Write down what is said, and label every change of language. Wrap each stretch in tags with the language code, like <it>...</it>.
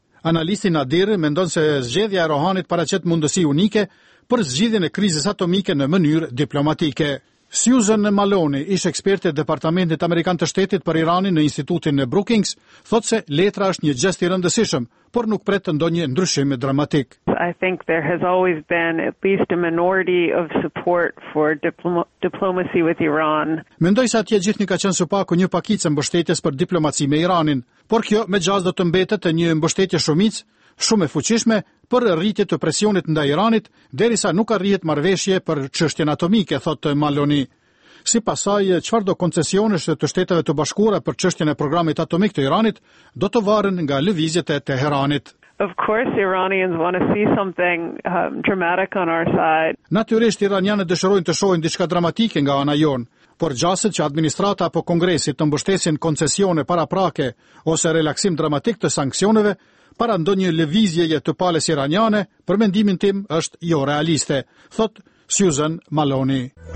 <sq>Analisti Nadir mendon se zgjedhja e Rohanit paraqet mundësi unike për zgjidhjen e krizës atomike në mënyrë diplomatike. Susan Maloney, ish eksperte e Departamentit Amerikan të Shtetit për Iranin në Institutin në Brookings, thot se letra është një gjest i rëndësishëm, por nuk pret ndonjë ndryshim dramatik.</sq> <en>I think there has always been at least a minority of support for diplomacy with Iran.</en> <sq>Mendoj se atje gjithnjë ka qenë së paku një pakicë mbështetjes për diplomaci me Iranin, por kjo me gjas do të mbetet një mbështetje shumicë, shumë e fuqishme për rritje të presionit nda Iranit, derisa nuk arrihet marveshje për çështjen atomike, thotë Maloney. Si pasaj, çfarë do koncesionesh të Shteteve të Bashkuara për çështjen e programit atomik të Iranit, do të varen nga lëvizjet e Teheranit.</sq> <en>Of course Iranians want to see something dramatic on our side.</en> <sq>Natyrisht iranianët dëshirojnë të shohin diçka dramatike nga ana jon, por gjasët që administrata apo kongresi të mbështesin koncesione paraprake ose relaksim dramatik të sankcioneve para ndonjë lëvizjeje të palës iraniane, për mendimin tim është jo realiste, thot Susan Maloney.</sq>